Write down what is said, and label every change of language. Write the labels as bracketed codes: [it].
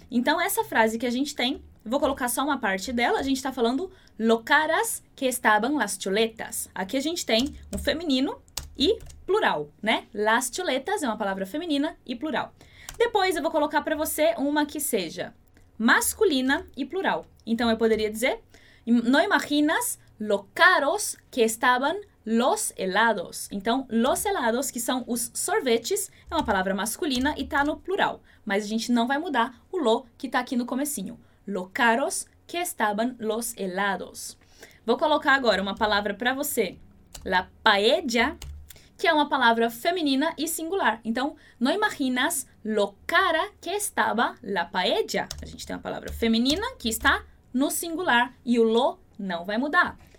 [pt] Então, essa frase que a gente tem, eu vou colocar só uma parte dela, a gente está falando [es] lo caras que estaban las chuletas. [pt] Aqui a gente tem o feminino e plural, né? Las chuletas é uma palavra feminina e plural. Depois, eu vou colocar para você uma que seja masculina e plural. Então, eu poderia dizer, [es] no imaginas lo caros que estaban los helados. [pt] Então, [es] los helados, [pt] que são os sorvetes, é uma palavra masculina e tá no plural. Mas a gente não vai mudar o lo que tá aqui no comecinho. [es] Lo caros que estaban los helados. [pt] Vou colocar agora uma palavra para você. [es] La paella, [pt] que é uma palavra feminina e singular. Então, [es] no imaginas lo cara que estaba la paella. [pt] A gente tem uma palavra feminina que está no singular e o lo não vai mudar.